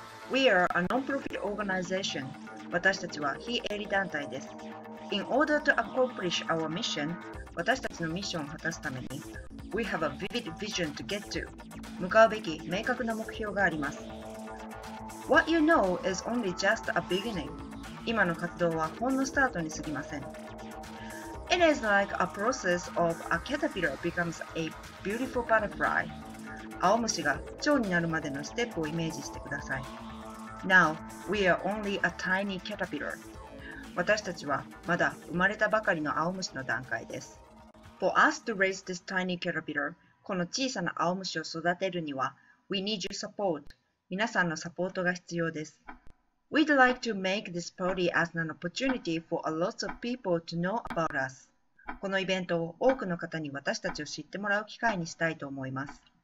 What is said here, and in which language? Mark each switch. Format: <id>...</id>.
<en>We are a non-profit organization.</en> <ja>私たちは非営利団体です。</ja> <en>In order to accomplish our mission,</en> <ja>私たちのミッションを果たすために、</ja> <en>We have a vivid vision to get to.</en> <ja>向かうべき明確な目標があります。</ja> <en>What you know is only just a beginning.</en> <ja>今の活動はほんのスタートにすぎません。</ja> <en>It is like a process of a caterpillar becomes a beautiful butterfly.</en> <ja>青虫が蝶になるまでのステップをイメージしてください。</ja> <en>Now, we are only a tiny caterpillar.</en> <ja>私たちはまだ生まれたばかりの青虫の段階です。</ja> <en>For us to raise this tiny caterpillar,</en> <ja>この小さな青虫を育てるには、</ja> <en>We need your support.</en> <ja>皆さんのサポートが必要です。</ja> <en>We'd like to make this party as an opportunity for a lot of people to know about us.</en> <ja>このイベントを多くの方に私たちを知ってもらう機会にしたいと思います。</ja>